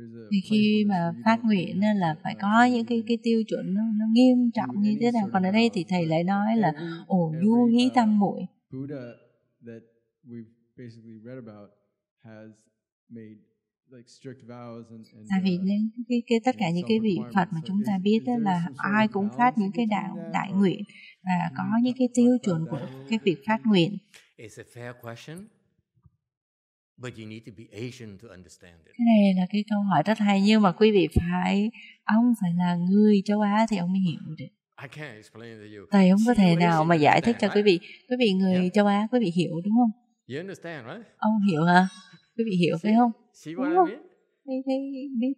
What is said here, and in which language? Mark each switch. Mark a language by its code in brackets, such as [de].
[vi] Thì khi mà phát nguyện là phải có những cái tiêu chuẩn nó nghiêm trọng như thế nào, còn ở đây thì thầy lại nói là du hí tâm muội. [en] Buddha that we've basically read about has made like strict vows and [vi] tại vì cái tất cả những cái vị Phật mà chúng ta biết là ai cũng phát những cái đại nguyện và có những cái tiêu chuẩn của cái việc phát nguyện. [en] It's a fair question. But you need to be Asian to understand it. [vi] Cái này là cái câu hỏi rất hay, nhưng mà quý vị phải, ông phải là người châu Á thì ông mới hiểu được. [en] I can't explain to you. [vi] Thầy không có thể nào mà giải thích cho quý vị. Quý vị người châu Á, quý vị hiểu đúng không? [en] You understand, right? [vi] Ông hiểu hả? Quý vị hiểu phải không? [en] See what I mean? Biết